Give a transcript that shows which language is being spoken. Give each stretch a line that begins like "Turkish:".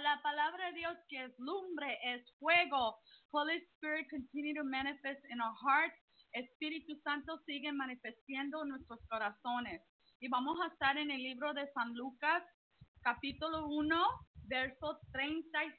Spanish: La palabra de Dios, que es lumbre, es fuego.
English: Holy Spirit, continue to manifest in our hearts.
Spanish: Espíritu Santo, sigue manifestando en nuestros corazones. Y vamos a estar en el libro de San Lucas, capítulo 1, verso 37.